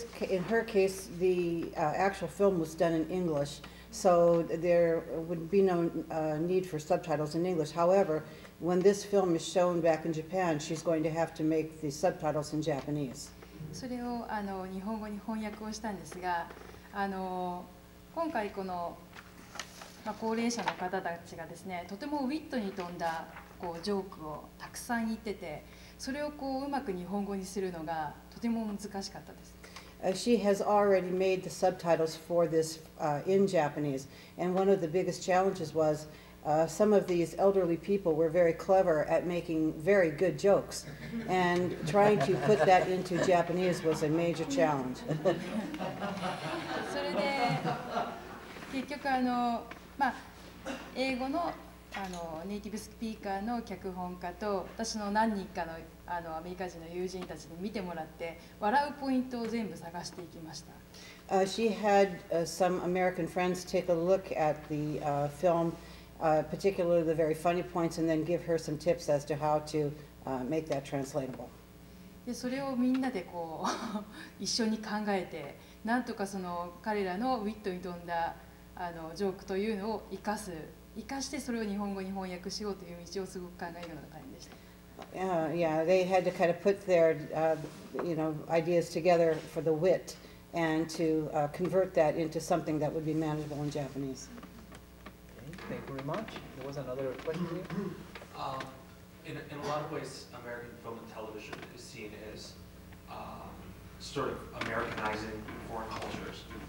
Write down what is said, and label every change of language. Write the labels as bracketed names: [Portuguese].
[English] In her case, the actual film was done in English, so there would be no need for subtitles in English. However, when this film is shown back in Japan, she's going to have to make the subtitles in Japanese. [Japanese] それを日本語に翻訳をしたんですが、今回この高齢者の方たちがですね、とてもウィットに富んだこうジョークをたくさん言ってて、それをこううまく日本語にするのがとても難しかったです。 [English] She has already made the subtitles for this in Japanese, and one of the biggest challenges was some of these elderly people were very clever at making very good jokes, and trying to put that into Japanese was a major challenge. [Japanese] それで結局まあ、英語 の, ネイティブスピーカーの脚本家と私の何人か の, アメリカ人の友人たちに見てもらって笑うポイントを全部探していきました。 [English] She had some American friends take a look at the film, particularly the very funny points, and then give her some tips as to how to make that translatable. [Japanese] でそれをみんなでこう一緒に考えて、なんとかその彼らのウィットに富んだジョークというのを生かしてそれを日本語に翻訳しようという道をすごく考えるのが大変でした。 [English] Yeah, they had to kind of put their, ideas together for the wit and to convert that into something that would be manageable in Japanese. Okay, thank you very much. There was another question here. In a lot of ways, American film and television is seen as sort of Americanizing foreign cultures.